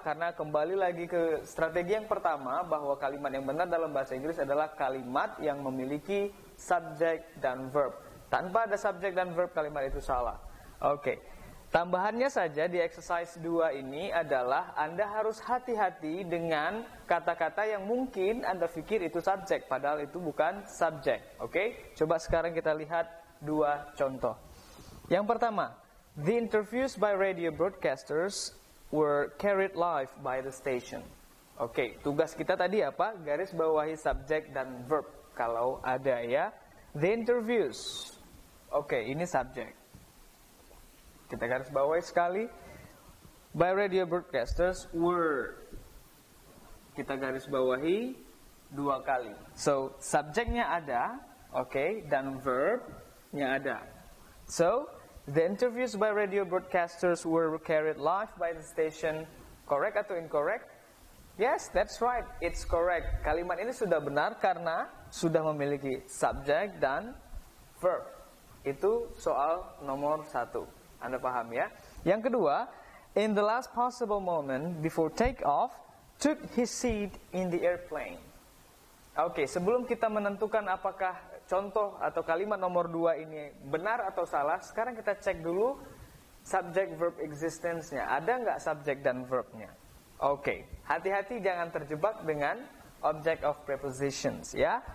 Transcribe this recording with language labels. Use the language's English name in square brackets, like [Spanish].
[Indonesian] Karena kembali lagi ke strategi yang pertama, bahwa kalimat yang benar dalam bahasa Inggris adalah kalimat yang memiliki subject dan verb. Tanpa ada subject dan verb, kalimat itu salah. Oke, tambahannya saja di exercise 2 ini adalah Anda harus hati-hati dengan kata-kata yang mungkin Anda pikir itu subject, padahal itu bukan subject. Oke, coba sekarang kita lihat dua contoh. [English] Yang pertama, the interviews by radio broadcasters were carried live by the station. [Indonesian] Oke, tugas kita tadi apa? Garis bawahi subject dan verb kalau ada ya. [English] The interviews, [Indonesian] oke, ini subject. Kita garis bawahi sekali. [English] By radio broadcasters were. [Indonesian] Kita garis bawahi dua kali. So, subjeknya ada. Okay, dan verbnya ada. [English] So, the interviews by radio broadcasters were carried live by the station. Correct [Indonesian] atau [English] incorrect? Yes, that's right. It's correct. [Indonesian] Kalimat ini sudah benar karena sudah memiliki subjek dan verb. Itu soal nomor satu. Anda paham ya? Yang kedua, [English] in the last possible moment before take off, took his seat in the airplane. [Indonesian] Okay, sebelum kita menentukan apakah contoh atau kalimat nomor 2 ini benar atau salah, sekarang kita cek dulu subject verb existence-nya. Ada nggak subject dan verb-nya? Okay, hati-hati jangan terjebak dengan object of prepositions ya.